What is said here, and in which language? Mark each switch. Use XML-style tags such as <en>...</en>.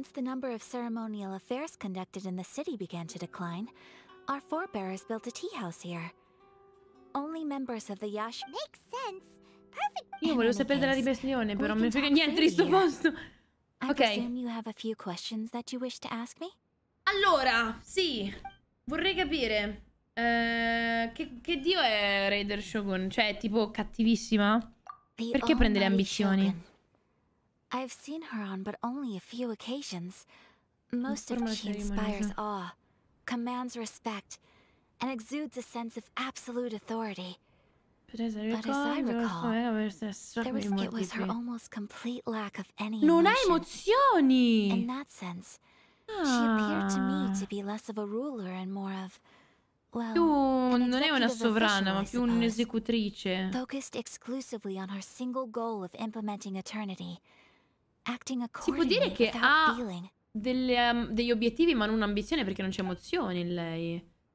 <en>Once the number of ceremonial affairs conducted in the city began to decline, our forebearers built a tea house here. Only members of the Yash makes sense. Perfect.</en> <it>Io volevo sapere della ribellione, però non mi frega niente di sto posto. Ok.</it> <en>I assume you have a few questions that you wish to ask me?</en> <it>Allora, sì. Vorrei capire che dio è Raider Shogun, cioè tipo cattivissima? Perché prende le ambizioni?</it> <en>I've seen her on but only a few occasions. Most of she inspires awe, commands respect, and exudes a sense of absolute authority. But as I recall, it was her almost complete lack of any emotion.</en> <it>Non ha emozioni!</it> <en>In that sense, she appeared to me to be less of a ruler and more of... Well,</en> <it>più non è una sovrana, ma più un'esecutrice.</it> <en>Focused exclusively on her single goal of implementing eternity, acting accordingly.</en> <it>Si può dire che ha degli obiettivi, ma non un'ambizione, perché non c'è emozione in lei.</it>